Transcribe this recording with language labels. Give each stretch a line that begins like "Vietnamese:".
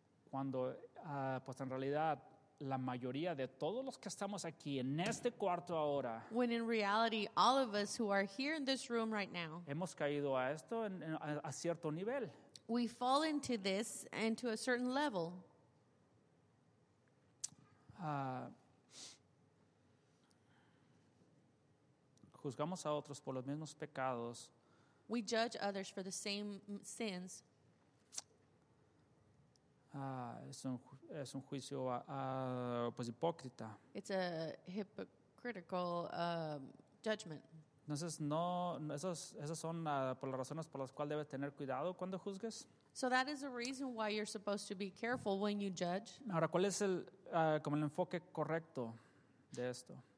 Spanish: Cuando, pues en realidad, la mayoría de todos los que estamos aquí en este cuarto ahora.
English: When in reality, all of us who are here in this room right now.
Spanish: Hemos caído a esto a cierto nivel.
English: We fall into this and to a certain level.
Spanish: Juzgamos a otros por los mismos pecados.
English: We judge others for the same sins.
Spanish: es un juicio pues hipócrita.
English: It's a hypocritical judgment.
Spanish: Entonces no, esas son por las razones por las cuales debes tener cuidado cuando juzgues.
English: So that is the reason why you're supposed to be careful when you judge.
Spanish: Ahora, ¿cuál es el como el enfoque correcto de esto?